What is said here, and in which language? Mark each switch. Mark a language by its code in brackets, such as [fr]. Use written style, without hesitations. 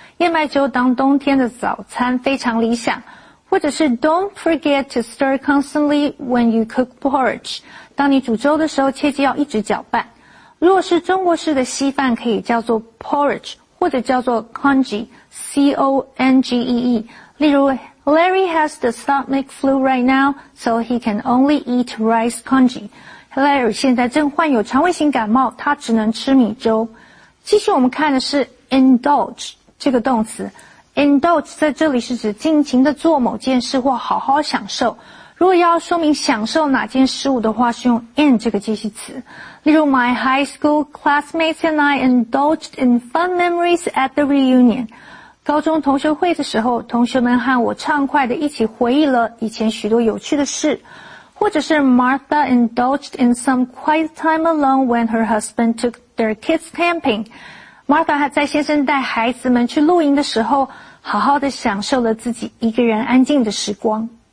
[zh] 燕麦粥当冬天的早餐非常理想。或者是 [en] don't forget to stir constantly when you cook porridge. [zh] 当你煮粥的时候切记要一直搅拌。如果是中国式的稀饭可以叫做 porridge, 或者叫做 congee。 [en] C-O-N-G-E-E. 例如 Larry has the stomach flu right now, so he can only eat rice congee. [zh] Larry 现在正患有肠胃型感冒，他只能吃米粥。继续我们看的是 indulge 这个动词。 Indulge 在这里是指尽情的做某件事或好好享受。如果要说明享受哪件事物的话，是用 in 这个介系词。例如 [en] My high school classmates and I indulged in fun memories at the reunion. [zh] 高中同学会的时候，同学们和我畅快地一起回忆了以前许多有趣的事。或者是 [en] Martha indulged in some quiet time alone when her husband took their kids camping. [zh] Martha 还在先生带孩子们去露营的时候，好好地享受了自己一个人安静的时光。